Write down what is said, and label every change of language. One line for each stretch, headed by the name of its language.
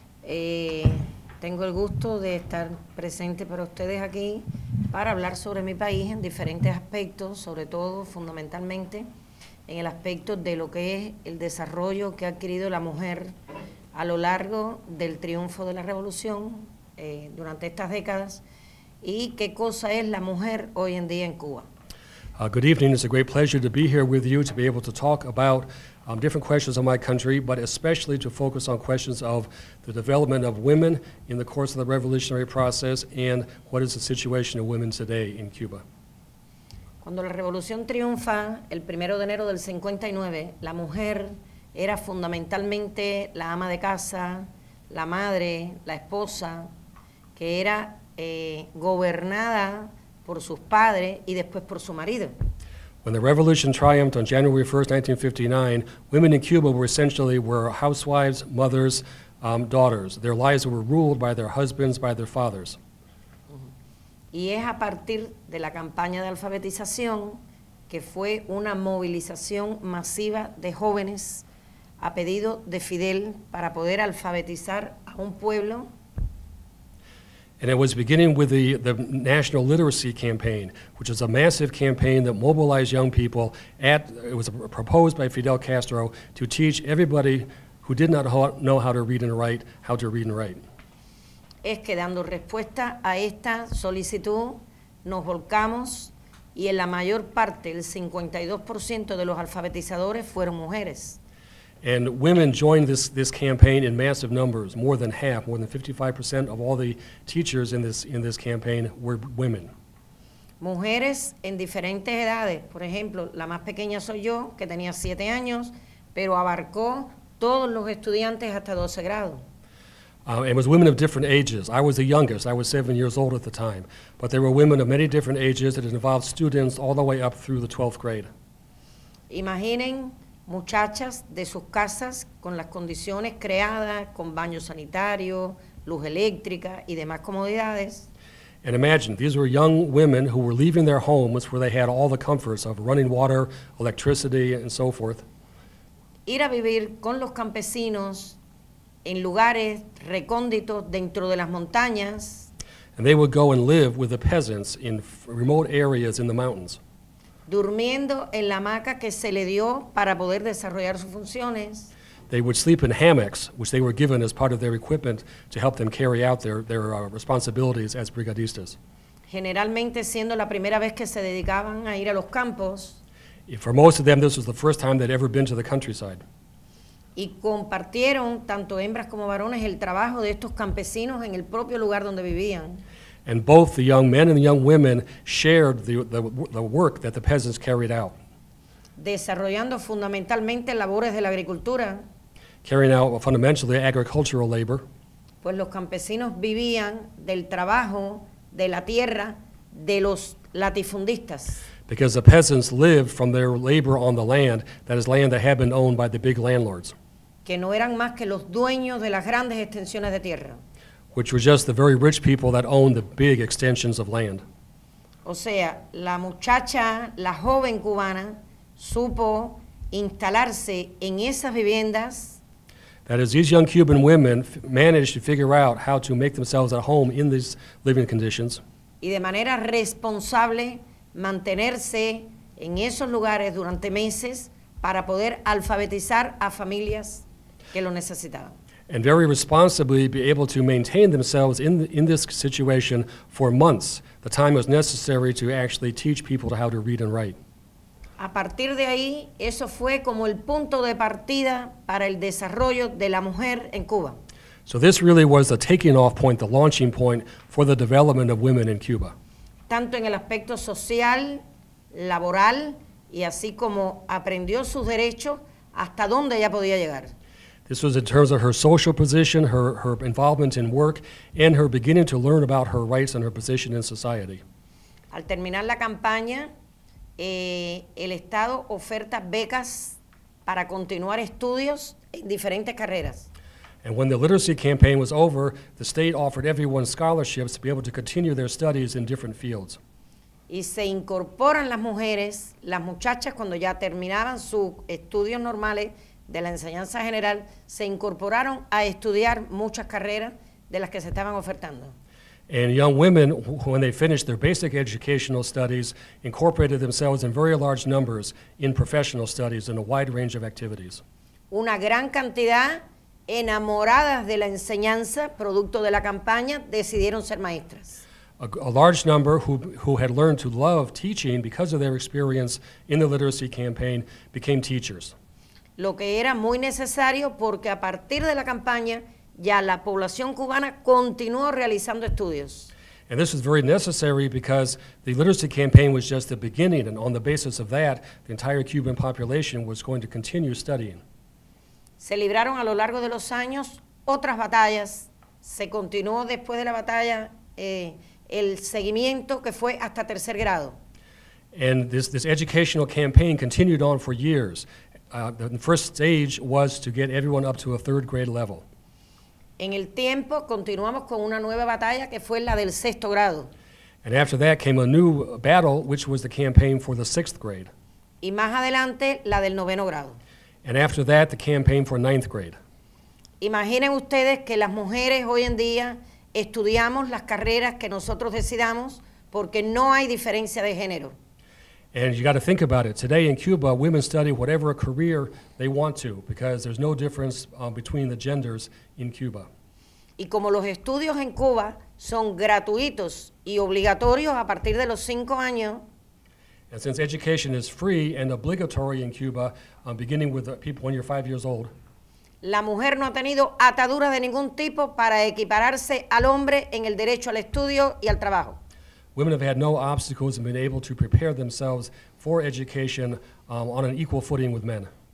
Spanish: Tengo el gusto de estar presente para ustedes aquí para hablar sobre mi país en diferentes aspectos, sobre todo, fundamentalmente, en el aspecto de lo que es el desarrollo que ha adquirido la mujer a lo largo del triunfo de la revolución durante estas décadas y qué cosa es la mujer hoy en día en Cuba.
English: Good evening. It's a great pleasure to be here with you to be able to talk about different questions of my country, but especially to focus on questions of the development of women in the course of the revolutionary process and what is the situation of women today in Cuba.
Spanish: Cuando la revolución triunfa el 1 de enero del 59, la mujer era fundamentalmente la ama de casa, la madre, la esposa, que era gobernada por sus padres y después por su marido.
English: When the revolution triumphed on January 1st, 1959, women in Cuba were essentially were housewives, mothers, daughters. Their lives were ruled by their husbands, by their fathers.
Spanish: Y es a partir de la campaña de alfabetización que fue una movilización masiva de jóvenes a pedido de Fidel para poder alfabetizar a un pueblo.
English: And it was beginning with the National Literacy Campaign, which was a massive campaign that mobilized young people. It was proposed by Fidel Castro to teach everybody who did not know how to read and write, how to read and write.
Spanish: Es que dando respuesta a esta solicitud, nos volcamos y en la mayor parte, el 52% de los alfabetizadores fueron mujeres.
English: And women joined this campaign in massive numbers. More than half, more than 55% of all the teachers in this campaign were women.
Spanish: Mujeres en diferentes edades. Por ejemplo, la más pequeña soy yo, que tenía 7 años, pero abarcó todos los estudiantes hasta 12 grado.
English: It was women of different ages. I was the youngest. I was 7 years old at the time. But there were women of many different ages. It involved students all the way up through the 12th grade.
Spanish: Imaginen muchachas de sus casas con las condiciones creadas, con baño sanitario, luz eléctrica y demás comodidades.
English: And imagine, these were young women who were leaving their homes where they had all the comforts of running water, electricity, and so forth.
Spanish: Ir a vivir con los campesinos en lugares recónditos dentro de las montañas.
English: And they would go and live with the peasants in remote areas in the mountains.
Spanish: Durmiendo en la hamaca que se le dio para poder desarrollar sus funciones.
English: They would sleep in hammocks, which they were given as part of their equipment to help them carry out their responsibilities as brigadistas.
Spanish: Generalmente siendo la primera vez que se dedicaban a ir a los campos.
English: For most of them, this was the first time they'd ever been to the countryside.
Spanish: Y compartieron, tanto hembras como varones, el trabajo de estos campesinos en el propio lugar donde vivían.
English: And both the young men and the young women shared the work that the peasants carried out.
Spanish: Desarrollando fundamentalmente labores de la agricultura.
English: Carrying out fundamentally agricultural labor.
Spanish: Pues los campesinos vivían del trabajo de la tierra de los latifundistas.
English: Because the peasants lived from their labor on the land, that is land that had been owned by the big landlords.
Spanish: Que no eran más que los dueños de las grandes extensiones de tierra.
English: Which were just the very rich people that owned the big extensions of land.
Spanish: O sea, la muchacha, la joven cubana, supo instalarse en esas viviendas.
English: That is, these young Cuban women managed to figure out how to make themselves at home in these living conditions.
Spanish: Y de manera responsable mantenerse en esos lugares durante meses para poder alfabetizar a familias que lo necesitaban.
English: And very responsibly be able to maintain themselves in this situation for months. The time was necessary to actually teach people how to read and write.
Spanish: A partir de ahí, eso fue como el punto de partida para el desarrollo de la mujer en Cuba.
English: So this really was the taking off point, the launching point for the development of women in Cuba.
Spanish: Tanto en el aspecto social, laboral, y así como aprendió sus derechos, hasta dónde ella podía llegar.
English: This was in terms of her social position, her involvement in work, and her beginning to learn about her rights and her position in society.
Spanish: Al terminar la campaña, el Estado oferta becas para continuar estudios en diferentes carreras.
English: And when the literacy campaign was over, the state offered everyone scholarships to be able to continue their studies in different fields.
Spanish: Y se incorporan las mujeres, las muchachas, cuando ya terminaban sus estudios normales de la enseñanza general, se incorporaron a estudiar muchas carreras de las que se estaban ofertando.
English: And young women, when they finished their basic educational studies, incorporated themselves in very large numbers in professional studies in a wide range of activities.
Spanish: Una gran cantidad, enamoradas de la enseñanza, producto de la campaña, decidieron ser maestras.
English: A large number who had learned to love teaching because of their experience in the literacy campaign became teachers.
Spanish: Lo que era muy necesario porque a partir de la campaña ya la población cubana continuó realizando estudios.
English: And this was very necessary because the literacy campaign was just the beginning, and on the basis of that, the entire Cuban population was going to continue studying.
Spanish: Se libraron a lo largo de los años otras batallas. Se continuó después de la batalla el seguimiento que fue hasta tercer grado.
English: And this educational campaign continued on for years. The first stage was to get everyone up to a third grade level.
Spanish: En el tiempo continuamos con una nueva batalla que fue la del sexto grado.
English: And after that came a new battle, which was the campaign for the sixth grade.
Spanish: Y más adelante la del noveno grado.
English: And after that, the campaign for ninth grade.
Spanish: Imaginen ustedes que las mujeres hoy en día estudiamos las carreras que nosotros decidamos porque no hay diferencia de género.
English: And you got to think about it. Today in Cuba, women study whatever career they want to because there's no difference between the genders in Cuba.
Spanish: Y como los estudios en Cuba son gratuitos y obligatorios a partir de los 5 años,
English: and since education is free and obligatory in Cuba, beginning with the people when you're 5 years old,
Spanish: la mujer no ha tenido ataduras de ningún tipo para equipararse al hombre en el derecho al estudio y al trabajo.
English: Women have had no obstacles and been able to prepare themselves for education on an equal footing with men.